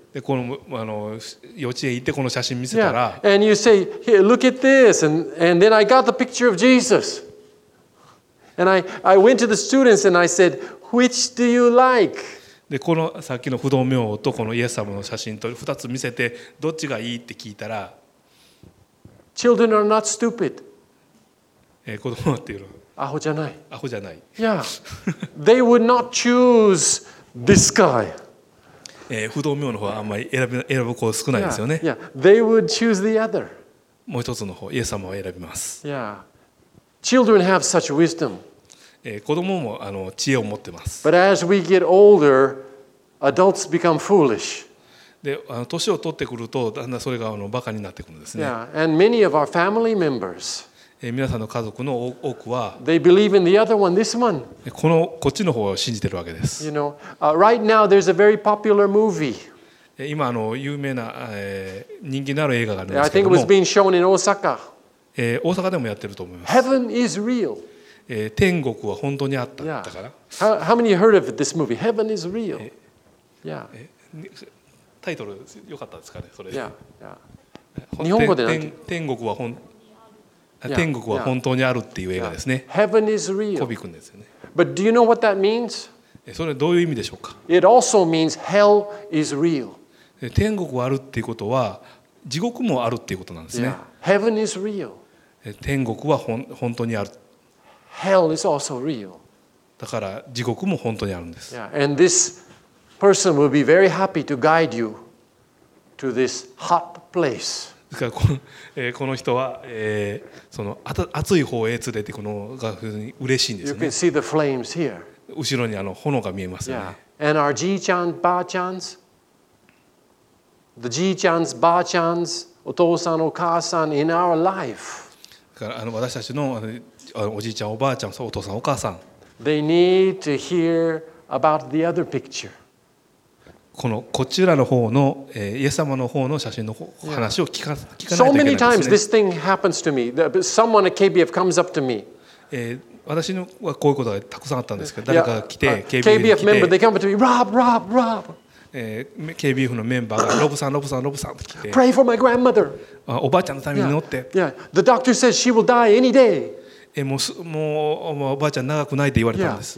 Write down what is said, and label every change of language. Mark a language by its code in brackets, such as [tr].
[ja] でこのあの幼稚園行ってこの写真見せたら、 [en] yeah. and you say, hey, look at this, and then I got the picture of Jesus, and I went to the students and I said, which do you like? [ja] でこのさっきの不動明王とこのイエス様の写真と2つ見せてどっちがいいって聞いたら、 [en] children are not stupid. [ja] 子供っていうの、アホじゃない。アホじゃない。 [en] Yeah, they would not choose this guy. [ja] 不動明王の方はあんまり選ぶ子少ないですよね。 [en] Yeah, yeah. They would choose the other. [ja] もう一つの方、イエス様を選びます。 [en] Yeah. Children have such wisdom. [ja] 子供もあの知恵を持ってます。 [en] But as we get older, adults become foolish. [ja] で、あの年を取ってくるとだんだんそれがあのバカになってくるんですね。 [en] Yeah. And many of our family members. [ja] 皆さんの家族の多くは、 [en] they believe in the other one, this one. [ja] こっちの方を信じてるわけです。 [en] You know, right now there's a very popular movie. [ja] 今あの有名な、人気のある映画があるんですけども、 [en] I think it was being shown in Osaka. [ja] 大阪でもやってると思います。 [en] Heaven is real. [ja] 天国は本当にあったから。 [en] Yeah. How many heard of this movie? Heaven is real. Yeah. [ja] タイトル良かったですかね、それで。 Yeah. 日本語で何？天国は本天国は本当にあるっていう映画ですね。 [en] Heaven is real. [ja] コビ君ですよね。 [en] But do you know what that means? [ja] それはどういう意味でしょうか。 [en] It also means hell is real. [ja] 天国があるっていうことは地獄もあるっていうことなんですね。 [en] Heaven is real. [ja] 天国は本当にある。 [en] Hell is also real. [ja] だから地獄も本当にあるんです。 [en] And this person will be very happy to guide you to this hot place. [ja] ですからこの人は、その熱い方へ連れてこのが嬉しいんですね。 [en] You can see the flames here. [ja] 後ろにあの炎が見えますよね。 [en] Yeah. And our [ja] じいちゃん、ばあちゃん、 [en] the [ja] じいちゃん、ばあちゃん、お父さん、お母さん [en] in our life. [ja] だからあの私たちのおじいちゃん、おばあちゃん、お父さん、お母さん。 [en] They need to hear about the other picture. [ja] このこちらの方のイエス様の方の写真の話を聞かないといけないですね。 [en] So many times this thing happens to me. Someone at KBF comes up to me. [ja] 私のはこういうことがたくさんあったんですけど、誰かが来て KBF [en] に来て、KBF member they come up to me, Rob, Rob, Rob. [ja] KBF のメンバーがロブさん、ロブさん、ロブさんと来て、 [en] Pray for my grandmother. [ja] おばあちゃんのために祈って、 [en] Yeah, the doctor says she will die any day. [ja] もうおばあちゃん長くないって言われたんです。